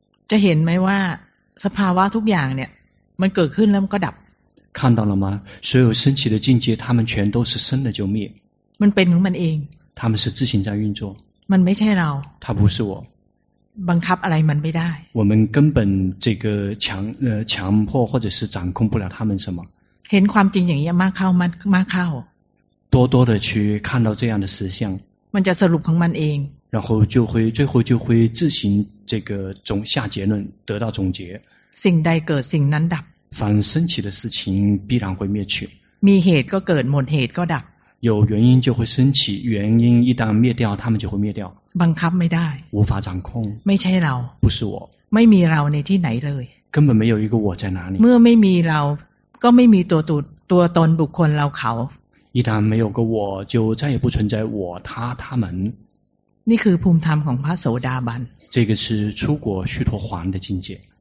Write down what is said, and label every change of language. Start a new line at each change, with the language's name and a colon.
Thai: จะเห็นไหมว่าสภาวะทุกอย่างเนี่ยมันเกิดขึ้นแล้วมันก็ดับ
Chinese: 看到了吗？所有升起的境界，他们全都是生了就灭。
Thai: มันเป็นของมันเอง。
Chinese: 他们是自行在运作。
Thai: มันไม่ใช่เรา。
Chinese: 他不是我。
Thai: บังคับอะไรมันไม่ได้。
Chinese: 我们根本这个强迫或者是掌控不了他们什么。
Thai: เห็นความจริงอย่างนี้มากเข้ามากเข้า。
Chinese: 多多的去看到这样的实相。
Thai: มันจะสรุปของมันเอง。
Chinese: 然后就会最后就会自行这个总下结论得到总结。
Thai: สิ่งใดเกิดสิ่งนั้นดับ。
Chinese: 凡升起的事情必然会灭去。
Thai: มีเหตุก็เกิดหมดเหตุก็ดับ。
Chinese: 有原因就会升起，原因一旦灭掉，他们就会灭掉。
Thai: บังคับไม่ได้
Chinese: 。无法掌控。
Thai: ไม่ใช่เรา。
Chinese: 不是我。
Thai: ไม่มีเราในที่ไหนเลย。
Chinese: 根本没有一个我在哪里。
Thai: เมื่อไม่มีเราก็ไม่มีตัวตนบุคคลเราเขา。
Chinese: 一旦没有个我，就再也不存在我他他们。
Thai: นี่คือภูมิธรรมของพระโสดาบัน。
Chinese: 这个是出果须陀洹的境界。